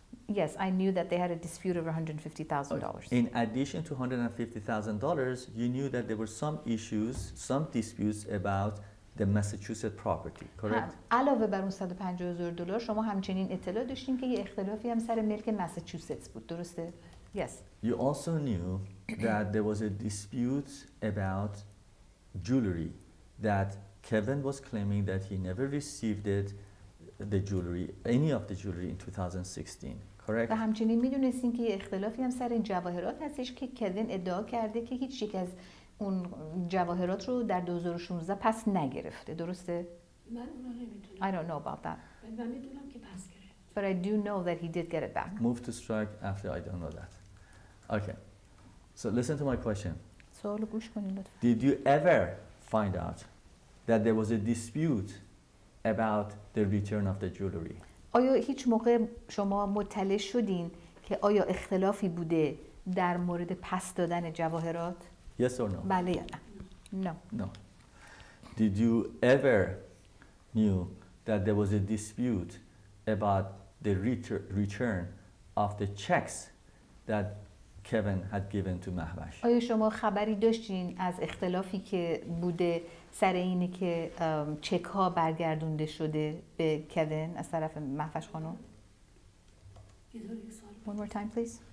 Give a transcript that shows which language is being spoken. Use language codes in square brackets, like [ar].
[en] Yes, I knew that they had a dispute over $150,000. In addition to $150,000, you knew that there were some issues, some disputes about the Massachusetts property, correct? [fa] علاوه بر اون $150,000، شما همچنین اطلاع داشتین که یه اختلافی هم سر ملک ماساچوستس بود، درسته؟ [en] Yes. You also knew that there was a dispute about jewelry that Kevin was claiming that he never received it. The jewelry, any of the jewelry in 2016, correct? [fa] و همچنین میدونستین که یه اختلافی هم سر این جواهرات هستش که کوین ادعا کرده که هیچ یک از اون جواهرات رو در 2016 پس نگرفته، درسته؟ من اونو نمیدونم. [en] I don't know about that. [fa] من میدونم که پس گرفت. [en] But I do know that he did get it back. Move to strike after I don't know that. Okay. So listen to my question. [fa] سوال گوش کنید لطفا. [en] Did you ever find out that there was a dispute about the return of the jewelry? [fa] آیا هیچ موقع شما مطلع شدین که آیا اختلافی بوده در مورد پس دادن جواهرات؟ [en] Yes or no? [fa] بله یا نه. [en] No. No. Did you ever knew that there was a dispute about the return of the checks that Kevin had given to Mahvash? [fa] آیا شما خبری داشتین از اختلافی که بوده سر اینه که چک ها برگردونده شده به کوین از طرف مهوش خانم؟ [en] One more time, please.